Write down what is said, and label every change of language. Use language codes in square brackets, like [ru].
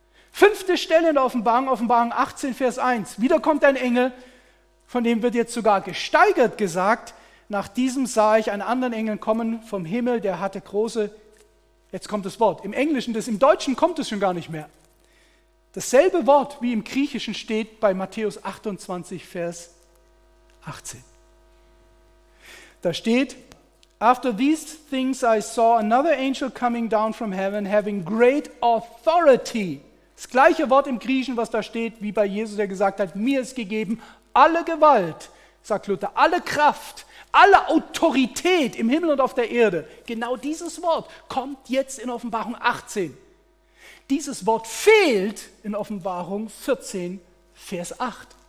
[de] Fünfte Stelle in der Offenbarung 18, Vers 1. Wieder kommt ein Engel, von dem wird jetzt sogar gesteigert gesagt, nach diesem sah ich einen anderen Engel kommen vom Himmel, der hatte große, jetzt kommt das Wort, im Englischen, im Deutschen kommt es schon gar nicht mehr. Dasselbe Wort, wie im Griechischen steht bei Matthäus 28, Vers 18. Da steht, [en] after these things I saw another angel coming down from heaven having great authority. [de] Das gleiche Wort im Griechischen, was da steht, wie bei Jesus, der gesagt hat, mir ist gegeben alle Gewalt, sagt Luther, alle Kraft, alle Autorität im Himmel und auf der Erde. Genau dieses Wort kommt jetzt in Offenbarung 18. Dieses Wort fehlt in Offenbarung 14, Vers 8.